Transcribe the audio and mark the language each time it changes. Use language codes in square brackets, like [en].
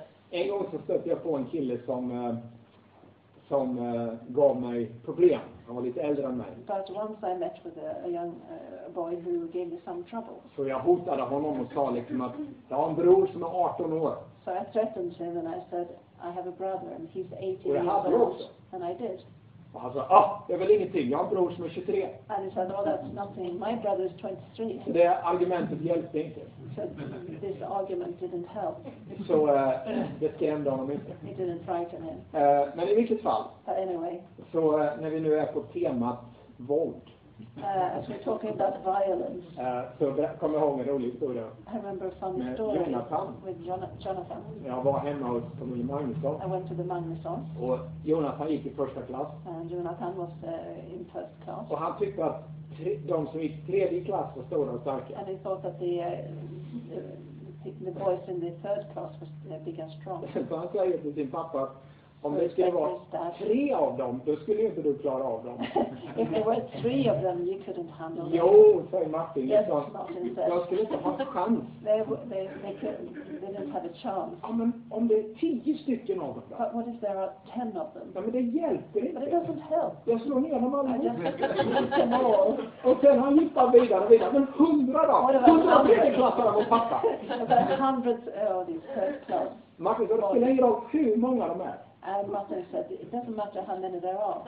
[sv] En gång så stötte jag på en kille som gav mig problem. Han var lite äldre än mig. [en] But once I met with a young boy who gave me some trouble. [sv] Så jag hotade honom och sa liksom att jag har en bror som är 18 år. [en] So I threatened him and I said I have a brother and he's 18 years old. And I did. [sv] Och han sa, det är väl ingenting. Jag har en bror som är 23. [en] And he said, oh, that's nothing. My brother is 23. [sv] Så det argumentet hjälpte inte. [en] So this argument didn't help. [sv] Så det skrämde honom inte. [en] It didn't frighten him. [sv] Men i vilket fall. [en] But anyway. [sv] Så när vi nu är på temat våld. [en] As we're talking about violence. [sv] Så kom jag ihåg en rolig historia. [en] I remember a funny [sv] med [en] story. Jonathan. With Jonathan. [sv] Jag var hemma hos familj Magnusson. [en] I went to the Magnusson. [sv] Och Jonathan gick i första klass. [en] And Jonathan was in first class. [sv] Och han tyckte att de som gick i tredje klass var stora och starka. [en] And he thought that the boys in the third class was big and strong. [sv] Så han sa till sin pappa. Om det skulle vara tre av dem, då skulle inte du klara av dem. [en] If there were three of them, you couldn't handle them. [sv] Jo, säger Martin. [en] Yes, Martin said. [sv] Jag skulle inte ha en chans. [en] They didn't have a chance. [sv] Ja, men om det är 10 stycken av dem. [en] But what if there are 10 of them? [sv] Ja, men det hjälper inte. [en] But it doesn't help. [sv] Jag slår ner dem alla. [en] I just them all. [sv] Och sen han gick bara vidare och vidare. Men 100 då? 100 tredje klassare mot pappa. [en] About 100 of these third class. [sv] Martin, då spelar ingen roll hur många de är. [en] And Martin said, it doesn't matter how many there are.